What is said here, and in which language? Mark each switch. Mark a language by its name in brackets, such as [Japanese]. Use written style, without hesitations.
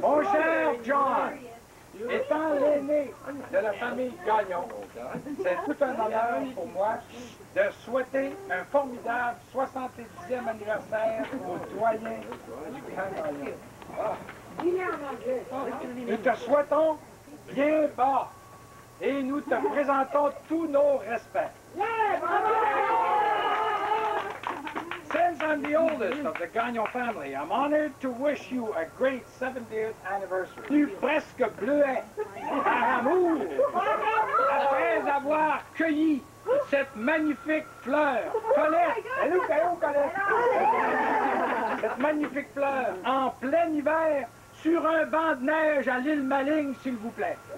[French] Mon cher John, étant l'aîné de la famille Gagnon, c'est tout un honneur pour moi de souhaiter un formidable 70e anniversaire au doyen Gagnon. Oh. Nous te souhaitons bien bas et nous te présentons tous nos respects. [English] Since I'm the oldest of the Gagnon family, I'm honored to wish you a great 70th anniversary. [French] Tu presque bleuet par amour après avoir cueilli cette magnifique fleur. Colette! Allô, Caillou, Colette! Cette magnifique fleur en plein hiver sur un banc de neige à l'île Maligne, s'il vous plaît.